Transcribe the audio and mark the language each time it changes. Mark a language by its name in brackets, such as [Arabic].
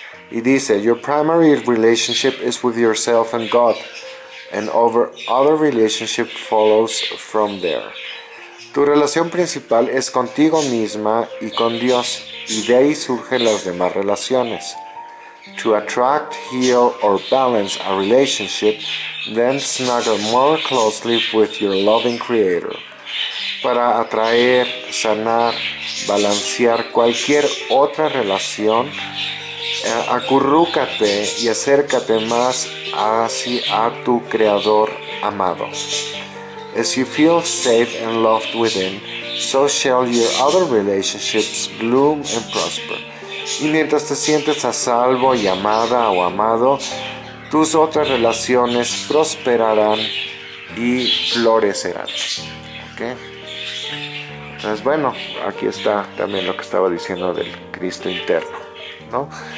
[Spanish] Y dice, [English] your primary relationship is with yourself and God, and over other relationship follows from there. [Spanish] Tu relación principal es contigo misma y con Dios, y de ahí surgen las demás relaciones. [English] To attract, heal, or balance a relationship, then snuggle more closely with your loving creator. [Spanish] Para atraer, sanar, balancear cualquier otra relación, acurrúcate y acércate más hacia a tu creador amado. [English] As you feel safe and loved within, so shall your other relationships bloom and prosper. [Spanish] Y mientras te sientes a salvo y amada o amado, tus otras relaciones prosperarán y florecerán. ¿Okay? Entonces, bueno, aquí está también lo que estaba diciendo del Cristo interno, ¿no?